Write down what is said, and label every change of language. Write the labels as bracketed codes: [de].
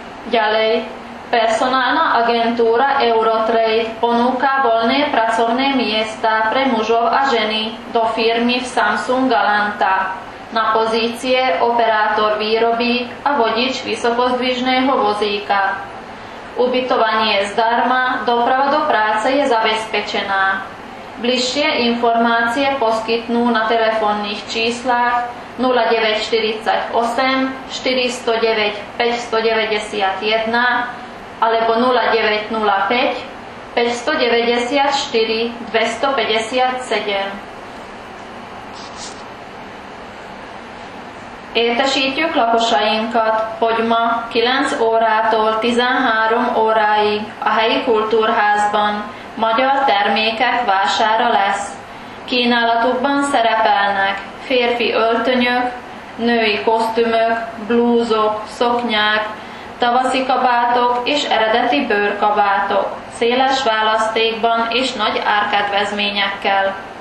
[sk] Ďalej, personálna agentúra Eurotrade ponúka voľné pracovné miesta pre mužov a ženy do firmy v Samsung Galanta na pozície operátor výroby a vodič vysokozdvižného vozíka. Ubytovanie je zdarma, doprava do práce je zabezpečená. Bližšie informácie poskytnú na telefónnych číslach 0948 409 591 alebo 0905 594 257. [hu] Értesítjük lakosainkat, hogy ma 9 órától 13 óráig a helyi kultúrházban magyar termékek vására lesz. Kínálatukban szerepelnek férfi öltönyök, női kosztümök, blúzok, szoknyák, tavaszi kabátok és eredeti bőrkabátok, széles választékban és nagy árkedvezményekkel.